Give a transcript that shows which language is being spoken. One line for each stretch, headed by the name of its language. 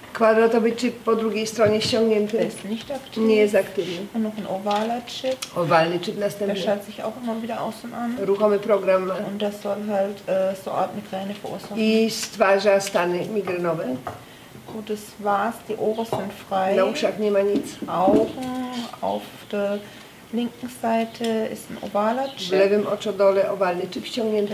Polish: Kwadratowy chip po drugiej stronie ściągnięty.
German: Ist nicht aktiv.
Polish: Nie jest aktywny.
German: Und noch ein ovaler Chip.
Polish: Owalny chip następny.
German: Der schaltet sich auch immer wieder aus und an.
Polish: Ruchomy program.
German: Und das soll halt so Art Migräne verursachen.
Polish: I stwarza stany migrenowe.
German: Gut, das war's. Die Ohren sind frei.
Polish: Na uszach nie ma nic.
German: Augen auf der linken Seite ist ein ovaler Chip.
Polish: W lewym oczodole owalny chip ściągnięty.